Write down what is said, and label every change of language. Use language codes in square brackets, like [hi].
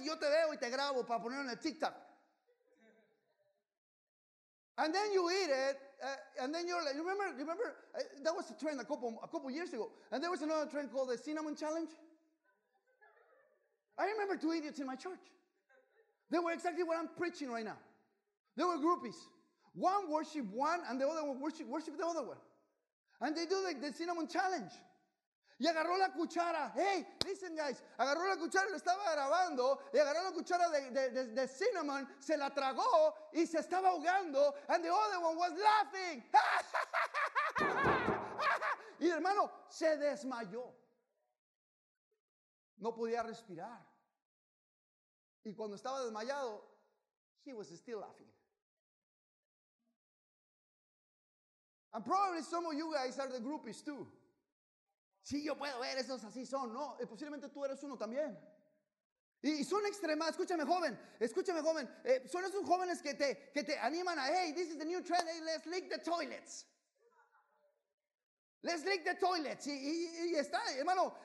[es] Y yo te veo y te grabo para ponerlo en el TikTok. [en] And then you eat it, and then you're like, remember, that was a trend a couple years ago, and there was another trend called the cinnamon challenge. I remember two idiots in my church. They were exactly what I'm preaching right now. They were groupies. One worshiped one, and the other one worshiped the other one. And they do like the cinnamon challenge. [es] Y agarró la cuchara. [en] Hey, listen, guys. [es] Agarró la cuchara, lo estaba grabando. Y agarró la cuchara de cinnamon, se la tragó y se estaba ahogando. [en] And the other one was laughing. [es] Y el hermano se desmayó. No podía respirar. Y cuando estaba desmayado, [en] he was still laughing. And probably some of you guys are the groupies too. [es] Sí, yo puedo ver, esos así son, ¿no? Posiblemente tú eres uno también. Y son extremados, escúchame joven. Son esos jóvenes que te animan a, [en] hey, this is the new trend, hey, let's lick the toilets. Let's lick the toilets. [es] Y está, hermano.